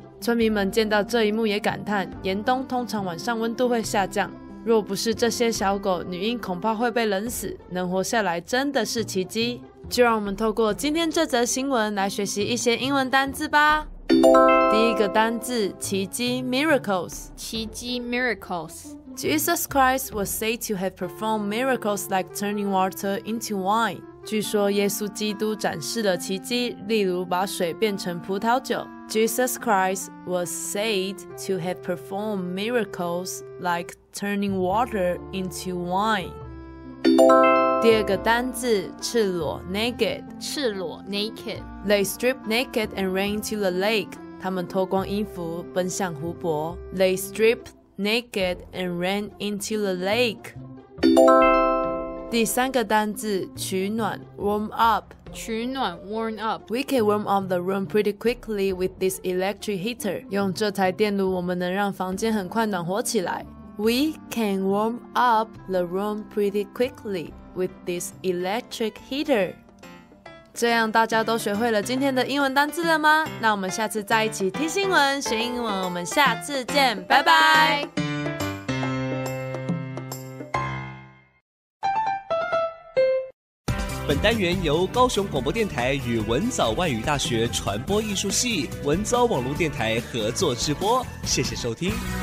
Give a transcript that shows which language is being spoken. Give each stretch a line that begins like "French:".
Chinese: 村民们见到这一幕也感叹，严冬通常晚上温度会下降，若不是这些小狗，女婴恐怕会被冷死，能活下来真的是奇迹。就让我们透过今天这则新闻来学习一些英文单字吧。第一个单字，奇迹 miracles，奇迹 miracles。
English: Jesus Christ was said to have performed miracles like turning water into wine。
Chinese: 据说耶稣基督展示了奇迹，例如把水变成葡萄酒。
English: Jesus Christ was said to have performed miracles like turning water into wine。
Chinese: 第二个单字，赤裸 naked，赤裸 naked。
English: They stripped naked and ran to the lake，
Chinese: 他们脱光衣服奔向湖泊。
English: They stripped naked and ran into the lake。
Chinese: 第三个单字，取暖 warm up，取暖 warm up。
English: We can warm up the room pretty quickly with this electric heater，
Chinese: 用这台电炉我们能让房间很快暖和起来。
English: We can warm up the room pretty quickly with this electric heater。
Chinese: 这样大家都学会了今天的英文单字了吗？那我们下次再一起听新闻学英文，我们下次见，拜拜。本单元由高雄广播电台与文藻外语大学传播艺术系文藻网络电台合作直播，谢谢收听。